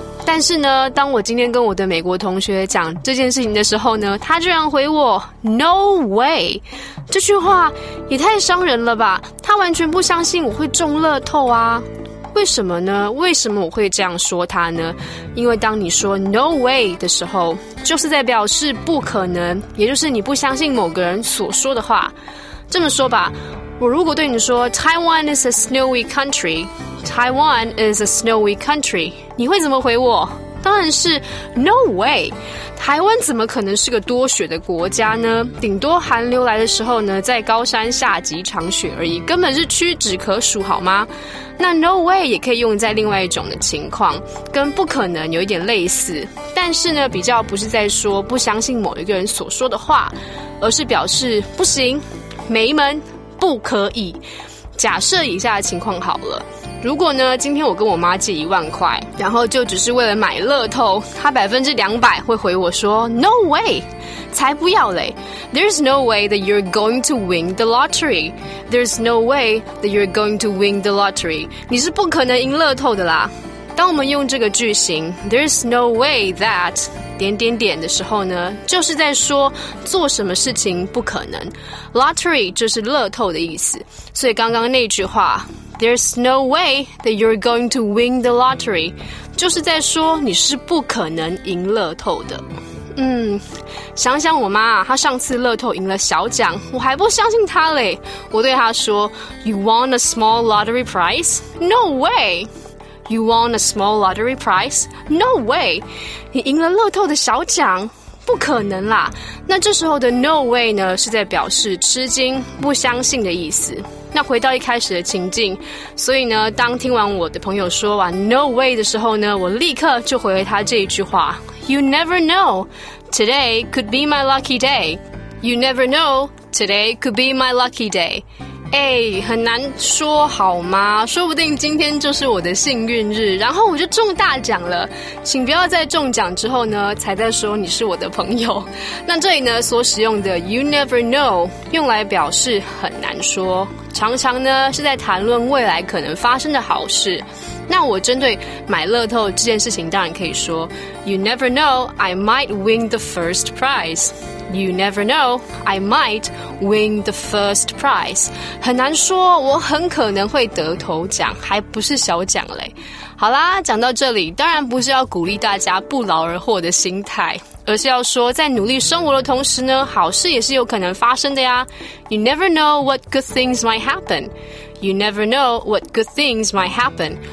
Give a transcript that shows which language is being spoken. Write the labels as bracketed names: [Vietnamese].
[Chinese] 但是呢，当我今天跟我的美国同学讲这件事情的时候呢，他居然回我 [English] No way， [Chinese] 这句话也太伤人了吧！他完全不相信我会中乐透啊。为什么呢？为什么我会这样说他呢？因为当你说 [English] no way [Chinese] 的时候，就是在表示不可能，也就是你不相信某个人所说的话。这么说吧，我如果对你说 [English] Taiwan is a snowy country， [Chinese] Taiwan is a snowy country， 你会怎么回我？当然是 [English] no way。 [Chinese] 台湾怎么可能是个多雪的国家呢？顶多寒流来的时候呢，在高山下几场雪而已，根本是屈指可数，好吗？那 [English] no way [Chinese] 也可以用在另外一种的情况，跟不可能有一点类似，但是呢，比较不是在说不相信某一个人所说的话，而是表示不行，没门，不可以。假设以下的情况好了。如果呢，今天我跟我妈借10000块，然后就只是为了买乐透，她200%会回我说 [English] No way， [Chinese] 才不要嘞。 [English] There's no way that you're going to win the lottery. There's no way that you're going to win the lottery. [Chinese] 你是不可能赢乐透的啦。当我们用这个句型 [English] There's no way that [Chinese] 点点点的时候呢，就是在说做什么事情不可能。 [English] Lottery [Chinese] 就是乐透的意思，所以刚刚那句话 [English] There's no way that you're going to win the lottery. [Chinese] 就是在说你是不可能赢乐透的。想想我妈，她上次乐透赢了小奖，我还不相信她嘞。我对她说 [English] You won a small lottery prize? No way! You won a small lottery prize? No way! [Chinese] 你赢了乐透的小奖？不可能啦。那这时候的 [English] no way [Chinese] 呢，是在表示吃惊、不相信的意思。那回到一开始的情境，所以呢，当听完我的朋友说完 [English] no way [Chinese] 的时候呢，我立刻就回了他这一句话 [English] You never know, today could be my lucky day. You never know, today could be my lucky day. [Chinese] 很难说好吗？说不定今天就是我的幸运日，然后我就中大奖了。请不要在中奖之后呢，才在说你是我的朋友。那这里呢，所使用的 [English] you never know [Chinese] 用来表示很难说，常常呢是在谈论未来可能发生的好事。那我针对买乐透这件事情，当然可以说 [English] You never know, I might win the first prize. You never know, I might win the first prize. [Chinese] 很难说，我很可能会得头奖，还不是小奖嘞。好啦，讲到这里，当然不是要鼓励大家不劳而获的心态，而是要说在努力生活的同时呢，好事也是有可能发生的呀。 [English] You never know what good things might happen. You never know what good things might happen.